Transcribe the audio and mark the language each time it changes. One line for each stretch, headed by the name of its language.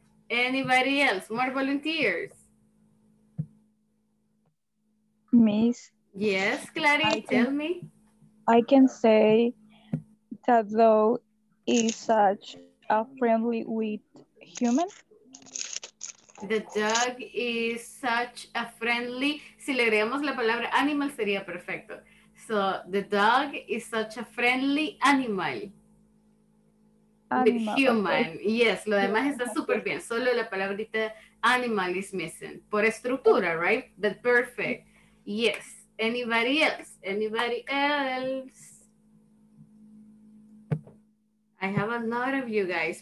English: Anybody else? More volunteers? Miss? Yes, Clary, tell me. I can say that dog is such a friendly with human. The dog is such a friendly.
Spanish: Si le agregamos la palabra animal, sería perfecto.
English: So, the dog is such a friendly animal. Animal. With human. Okay. Yes,
Spanish: lo demás está súper bien. Solo la palabrita animal
English: is missing.
Spanish: Por estructura,
English: right? But perfect. Yes. Anybody else? Anybody else? I have a lot of you guys.